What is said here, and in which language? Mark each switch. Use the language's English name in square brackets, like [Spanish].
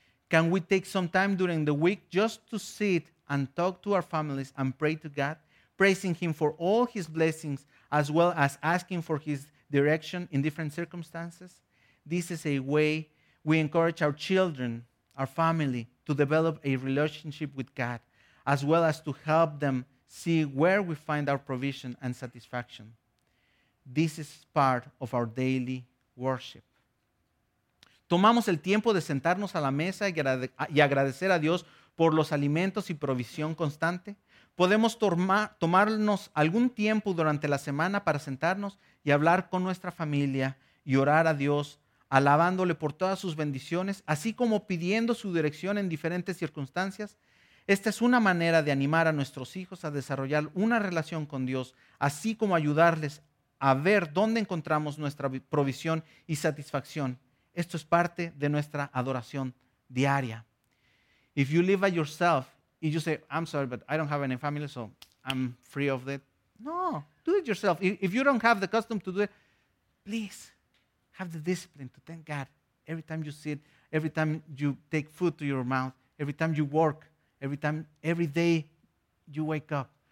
[English] Can we take some time during the week just to sit and talk to our families and pray to God, praising him for all his blessings as well as asking for his direction in different circumstances? This is a way we encourage our children, our family, to develop a relationship with God as well as to help them see where we find our provision and satisfaction. This is part of our daily worship. [Spanish] Tomamos el tiempo de sentarnos a la mesa y agradecer a Dios por los alimentos y provisión constante. Podemos tomarnos algún tiempo durante la semana para sentarnos y hablar con nuestra familia y orar a Dios, alabándole por todas sus bendiciones, así como pidiendo su dirección en diferentes circunstancias. Esta es una manera de animar a nuestros hijos a desarrollar una relación con Dios, así como ayudarles a ver dónde encontramos nuestra provisión y satisfacción Esto es parte de nuestra adoración diaria. [English] If you live by yourself, and you say, I'm sorry, but I don't have any family, so I'm free of that. No, do it yourself. If you don't have the custom to do it, please have the discipline to thank God every time you sit, every time you take food to your mouth, every time you work, every day you wake up.